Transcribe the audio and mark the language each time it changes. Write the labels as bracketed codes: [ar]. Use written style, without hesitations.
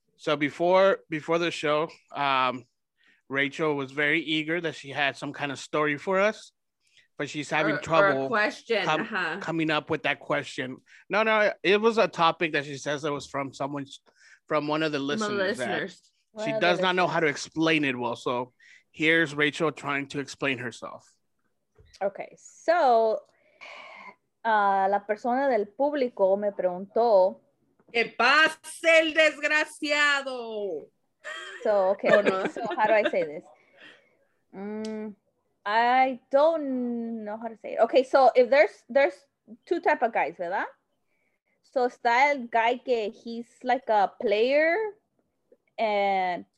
[en] So before the show, Rachel was very eager that she had some kind of story for us, but she's having trouble coming up with that question. No, it was a topic that she says that was from someone from one of the listeners. She does not know how to explain it well. So here's Rachel trying to explain herself. Okay, so [es] la persona del público me preguntó. ¿Qué pasa el desgraciado? [en] So, okay, so how do I say this? I don't know how to say it. Okay, so if there's two type of guys, [es] ¿verdad? [en] So [es] está el [en] guy que he's like a player and...